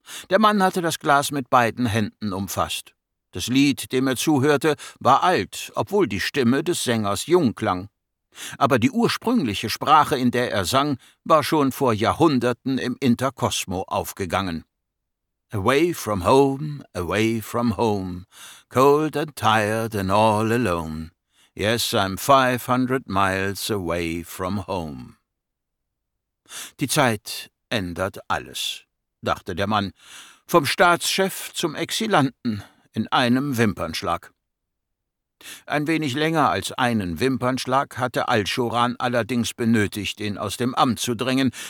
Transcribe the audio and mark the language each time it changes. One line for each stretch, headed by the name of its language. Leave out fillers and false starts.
German: Der Mann hatte das Glas mit beiden Händen umfasst. Das Lied, dem er zuhörte, war alt, obwohl die Stimme des Sängers jung klang. Aber die ursprüngliche Sprache, in der er sang, war schon vor Jahrhunderten im Interkosmo aufgegangen.
English: Away from home, away from home, cold and tired and all alone. Yes, I'm 500 miles away from home.
German: Die Zeit ändert alles, dachte der Mann, vom Staatschef zum Exilanten in einem Wimpernschlag. Ein wenig länger als einen Wimpernschlag hatte Al-Shuran allerdings benötigt, ihn aus dem Amt zu drängen.